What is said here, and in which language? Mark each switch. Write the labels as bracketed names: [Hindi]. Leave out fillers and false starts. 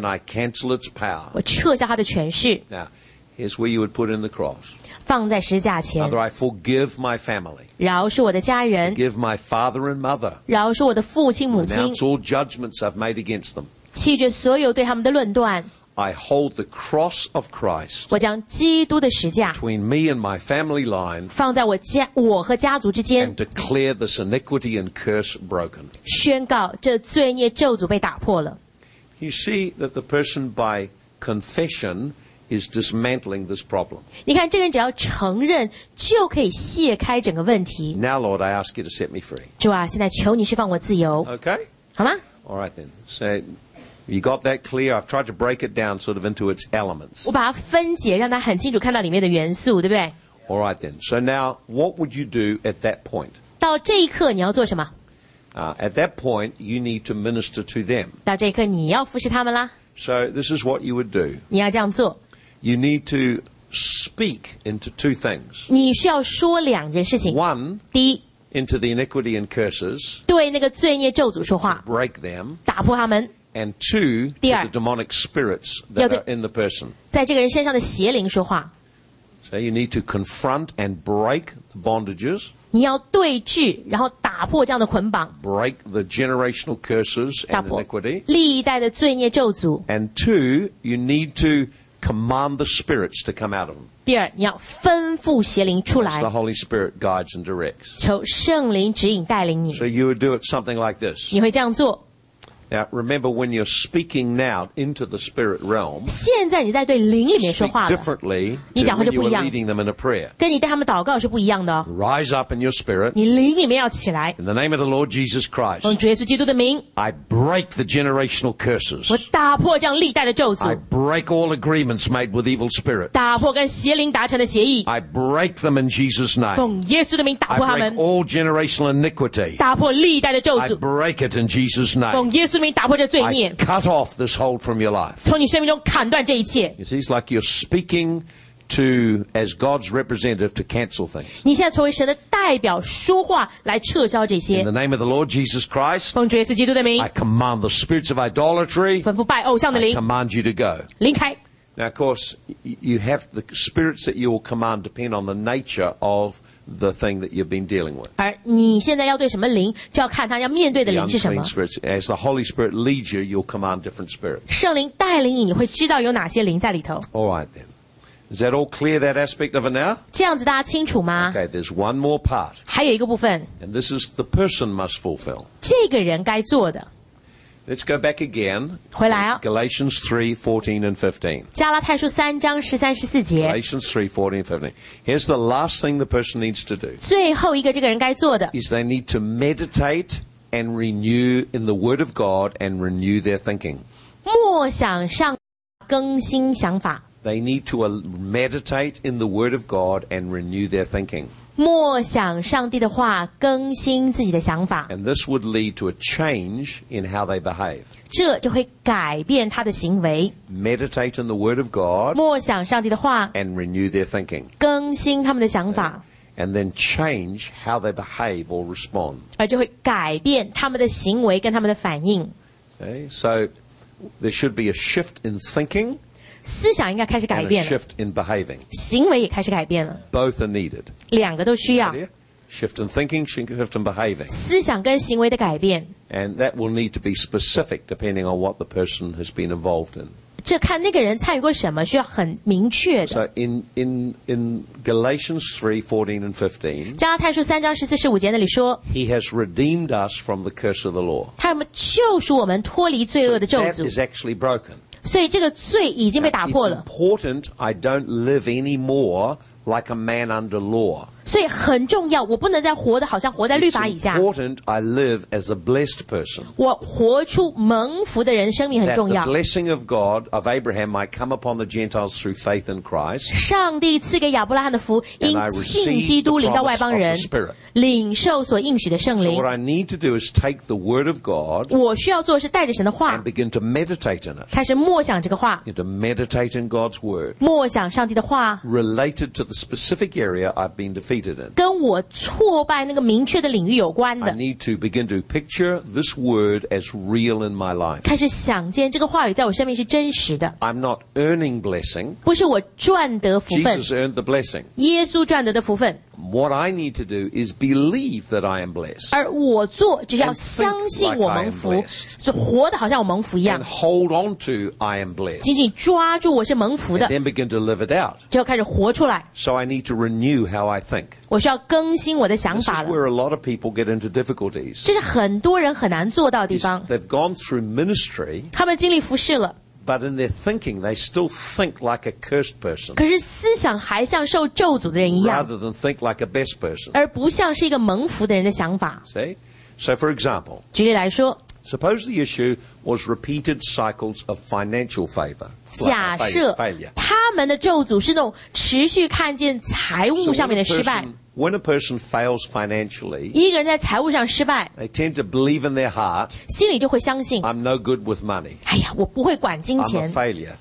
[English] And I cancel its power. [Chinese] 我撤销他的权势。 [English] Now, here's where you would put in the cross. [Chinese] 放在十字架前。 [English] Father, I forgive my family. [Chinese] 饶恕我的家人。 [English] Forgive my father and mother. [Chinese] 饶恕我的父亲母亲。 [English] Renounce all judgments I've made against them. [Chinese] 弃绝所有对他们的论断。 [English] I hold the cross of Christ. [Chinese] 我将基督的十字架。 [English] Between me and my family line. [Chinese] 放在我和家族之间。 [English] And declare this iniquity and curse broken. [Chinese] 宣告这罪孽咒诅被打破了。 [English] You see that the person by confession. Is dismantling this problem. [Chinese] 你看，这个人只要承认，就可以卸开整个问题。 [English] Now, Lord, I ask you to set me free. [Chinese] 主啊，现在求你释放我自由。 [English] Okay. [Chinese] 好吗 [English] ？All right then. So, you got that clear? I've tried to break it down sort of into its elements. [Chinese] 我把它分解，让他很清楚看到里面的元素，对不对 [English] ？All right then. So now, what would you do at that point? [Chinese] 到这一刻，你要做什么 [English] ？At that point, you need to minister to them. [Chinese] 到这一刻，你要服侍他们啦。 [English] So this is what you would do. [Chinese] 你要这样做。 [English] You need to speak into two things. [Chinese] 你需要说两件事情。 [English] One, [Chinese] 第一 [English] into the iniquity and curses. [Chinese] 对那个罪孽咒诅说话。 [English] To break them. [Chinese] 打破他们。 [English] And two, [Chinese] 第二 [English] to the demonic spirits that are in the person. [Chinese] 在这个人身上的邪灵说话。 [English] So you need to confront and break the bondages. [Chinese] 你要对峙，然后打破这样的捆绑。 [English] Break the generational curses and iniquity. [Chinese] 打破历代的罪孽咒诅。 [English] And two, you need to. Command the spirits to come out of them. [Chinese] 第二，你要吩咐邪灵出来。 [English] As the Holy Spirit guides and directs. [Chinese] 求圣灵指引带领你。 [English] So you would do it something like this. [Chinese] 你会这样做。 [English] Now remember, when you're speaking now into the spirit realm. [Chinese] 现在你在对灵里面说话了。 [English] Differently. [Chinese] 你讲话就不一样。 [English] When you are leading them in a prayer. [Chinese] 跟你带他们祷告是不一样的哦。 [English] Rise up in your spirit. [Chinese] 你灵里面要起来。 [English] In the name of the Lord Jesus Christ. [Chinese] 奉主耶稣基督的名。 [English] I break the generational curses. [Chinese] 我打破这样历代的咒诅。 [English] I break all agreements made with evil spirits. [Chinese] 打破跟邪灵达成的协议。 [English] I break them in Jesus' name. [Chinese] 奉耶稣的名打破他们。 [English] I break all generational iniquity. [Chinese] 打破历代的咒诅。 [English] I break it in Jesus' name. [Chinese] 奉耶稣 [English] I cut off this hold from your life. [Chinese] 从你生命中砍断这一切。 [English] It's like you're speaking to as God's representative to cancel things. [Chinese] 你现在成为神的代表，说话来撤销这些。 [English] In the name of the Lord Jesus Christ. [Chinese] 奉主耶稣基督的名。 [English] I command the spirits of idolatry. [Chinese] 吩咐拜偶像的灵。 [English] I command you to go. [Chinese] 离开。 [English] Now, of course, you have the spirits that you will command depend on the nature of. The thing that you've been dealing with. [Chinese] 而你现在要对什么灵，就要看他要面对的灵是什么。 [English] The unclean spirits, as the Holy Spirit leads you, you'll command different spirits. [Chinese] 圣灵带领你，你会知道有哪些灵在里头。 [English] All right then, is that all clear that aspect of it now? [Chinese] 这样子大家清楚吗 [English] ？Okay, there's one more part. [Chinese] 还有一个部分。 [English] And this is the person must fulfill. [Chinese] 这个人该做的。 [English] Let's go back again. [Chinese] 回来啊。 [English] Galatians 3:14 and 15. [Chinese] 加拉太书三章十三十四节。 [English] Galatians 3:14 and 15. Here's the last thing the person needs to do. [Chinese] 最后一个这个人该做的。 [English] Is they need to meditate and renew in the Word of God and renew their thinking. [Chinese] 默想上更新想法。 [English] They need to meditate in the Word of God and renew their thinking. [Chinese] 默想上帝的话，更新自己的想法。 [English] And this would lead to a change in how they behave. [Chinese] 这就会改变他的行为。 [English] Meditate on the word of God. [Chinese] 默想上帝的话。 [English] And renew their thinking. [Chinese] 更新他们的想法。 [English] And then change how they behave or respond. [Chinese] 而就会改变他们的行为跟他们的反应。 [English] Okay, so there should be a shift in thinking. [Chinese] 思想应该开始改变了。 [English] Shift in behaving. [Chinese] 行为也开始改变了。 [English] Both are needed. [Chinese] 两个都需要。 [English] Shift in thinking, shift in behaving. [Chinese] 思想跟行为的改变。 [English] And that will need to be specific depending on what the person has been involved in. [Chinese] 这看那个人参与过什么需要很明确的。 [English] So in Galatians 3:14 and 15, [Chinese] 加拉太书三章十四十五节那里说 [English] He has redeemed us from the curse of the law. [Chinese] 他有没有救赎我们脱离罪恶的咒诅。 [English] So that is actually broken. [Chinese] 所以这个罪已经被打破了。 [English] It's important I don't live anymore like a man under law. [Chinese] 所以很重要，我不能再活得好像活在律法以下。 [English] It's important I live as a blessed person. [Chinese] 我活出蒙福的人生命很重要。 [English] That the blessing of God of Abraham might come upon the Gentiles through faith in Christ. [Chinese] 上帝赐给亚伯拉罕的福，因信基督临到外邦人，领受所应许的圣灵。 [English] So what I need to do is take the word of God. [Chinese] 我需要做的是带着神的话 [English] ，and begin to meditate in it. [Chinese] 开始默想这个话。 [English] Begin to meditate in God's word. [Chinese] 默想上帝的话。 [English] Related to the specific area I've been defeated in. [Chinese] 跟我挫败那个明确的领域有关的。 [English] I need to begin to picture this word as real in my life. [Chinese] 开始想见这个话语在我生命是真实的。 [English] I'm not earning blessing. [Chinese] 不是我赚得福分。 [English] Jesus earned the blessing. [Chinese] 耶稣赚得的福分。 [English] What I need to do is believe that I am blessed. [Chinese] 而我做只要相信我蒙福，就活得好像我蒙福一样。 [English] And hold on to I am blessed. [Chinese] 紧紧抓住我是蒙福的。 [English] And then begin to live it out. [Chinese] 就开始活出来。 [English] So I need to renew how I think. [Chinese] 我需要更新我的想法了。 [English] This is where a lot of people get into difficulties. [Chinese] 这是很多人很难做到的地方。 [English] They've gone through ministry. [Chinese] 他们经历服事了。 [English] But in their thinking, they still think like a cursed person. [Chinese] 可是思想还像受咒诅的人一样。 [English] Rather than think like a blessed person. [Chinese] 而不像是一个蒙福的人的想法。 [English] See? So for example. [Chinese] 举例来说。 [English] Suppose the issue was repeated cycles of financial favor. [Chinese] 假设他们的咒诅是那种持续看见财务上面的失败。 [English] When a person fails financially, [Chinese] 一个人在财务上失败 [English] they tend to believe in their heart, [Chinese] 心里就会相信 [English] I'm no good with money. [Chinese] 哎呀，我不会管金钱。 [English] I'm a failure.